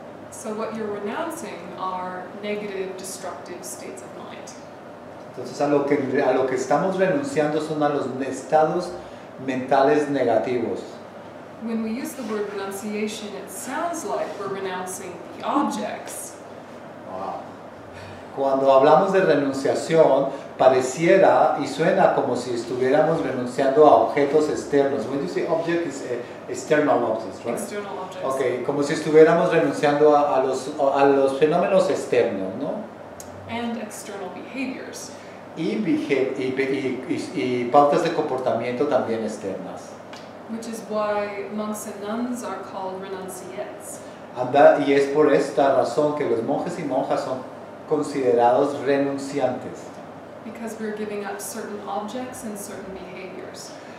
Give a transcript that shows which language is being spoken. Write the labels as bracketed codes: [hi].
[en] So what you're renouncing are negative, destructive states of mind. [es] Entonces a lo que estamos renunciando son a los estados mentales negativos. [en] when we use the word renunciation, it sounds like we're renouncing the objects. Wow. [es] Cuando hablamos de renunciación, pareciera y suena como si estuviéramos renunciando a objetos externos. [en] When you say object, it's external objects, right? External objects. [es] Okay, como si estuviéramos renunciando a los fenómenos externos, ¿no? [en] And external behaviors. [es] Y pautas de comportamiento también externas. [en] Which is why monks and nuns are called renunciates. [es] Y es por esta razón que los monjes y monjas son considerados renunciantes. [en] Because we're giving up certain objects and certain behaviors.